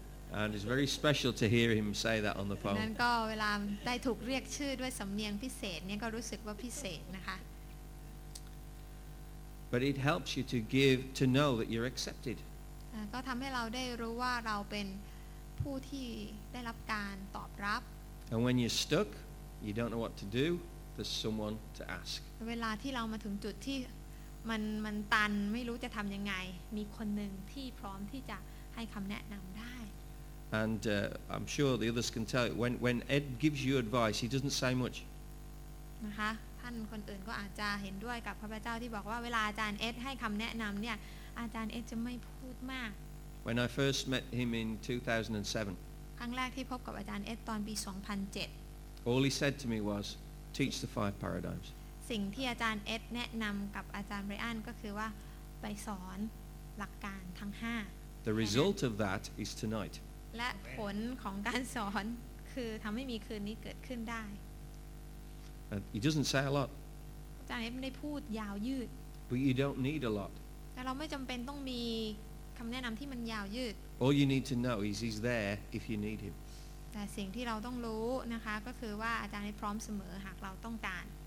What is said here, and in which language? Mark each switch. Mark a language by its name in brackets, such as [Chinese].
[English] And it's very special to hear him say that on the phone. [Thai] นั่นก็เวลาได้ถูกเรียกชื่อด้วยสำเนียงพิเศษเนี่ยก็รู้สึกว่าพิเศษนะคะ [English] But it helps you to know that you're accepted. [Thai] ก็ทำให้เราได้รู้ว่าเราเป็นผู้ที่ได้รับการตอบรับ [English] And when you're stuck, you don't know what to do. There's someone to ask. [Thai] เวลาที่เรามาถึงจุดที่มันตันไม่รู้จะทำยังไงมีคนหนึ่งที่พร้อมที่จะให้คำแนะนำได้ [English] And I'm sure the others can tell. When Ed gives you advice, he doesn't say much. [Thai] นะคะท่านคนอื่นก็อาจจะเห็นด้วยกับพระเจ้าที่บอกว่าเวลาอาจารย์เอ็ดให้คำแนะนำเนี่ยอาจารย์เอ็ดจะไม่พูดมาก [English] When I first met him in 2007. [Thai] ครั้งแรกที่พบกับอาจารย์เอ็ดตอนปี2007. [English] All he said to me was, "Teach the five paradigms." [Thai] สิ่งที่อาจารย์เอ็ดแนะนำกับอาจารย์ไบรอันก็คือว่าไปสอนหลักการทั้ง5. [English] The result of that is tonight. [Thai] และผลของการสอนคือทำให้มีคืนนี้เกิดขึ้นได้ [English] He doesn't say a lot. [Thai] อาจารย์ไม่ได้พูดยาวยืด [English] But you don't need a lot. [Thai] แต่เราไม่จำเป็นต้องมีคำแนะนำที่มันยาวยืด [English] All you need to know is he's there if you need him. [Thai] แต่สิ่งที่เราต้องรู้นะคะก็คือว่าอาจารย์พร้อมเสมอหากเราต้องการ